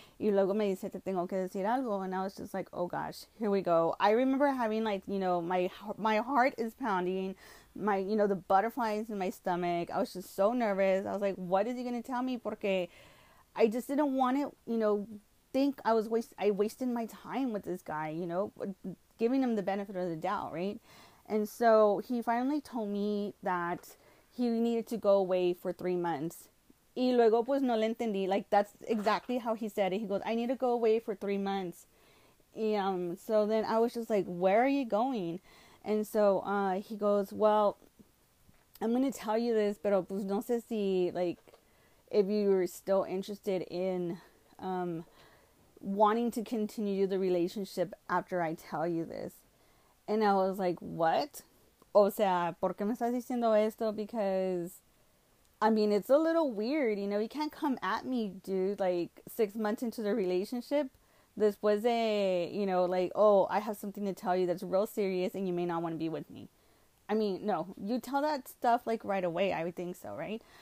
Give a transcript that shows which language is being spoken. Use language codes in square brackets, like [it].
[es] Y luego me dice, te tengo que decir algo. [en] And I was just like, oh gosh, here we go. I remember having like, you know, my heart is pounding, my, you know, the butterflies in my stomach. I was just so nervous. I was like, what is he going to tell me? [es] Porque [en] I just didn't want to, you know, think I wasted my time with this guy, you know, giving him the benefit of the doubt, right? And so he finally told me that he needed to go away for 3 months. [es] Y luego pues no le entendí. [en] Like that's exactly how he said it. He goes, I need to go away for 3 months. So then I was just like, where are you going? And so he goes, well, I'm gonna tell you this, [es] pero pues no sé si [en] like if you're still interested in wanting to continue the relationship after I tell you this. And I was like, what? [es] O sea, ¿por qué me estás diciendo esto? [en] Because I mean, it's a little weird, you know. You can't come at me, dude, like 6 months into the relationship. [es] Después de, [en] you know, like, oh, I have something to tell you that's real serious and you may not want to be with me. I mean, no, you tell that stuff like right away, I would think so, right?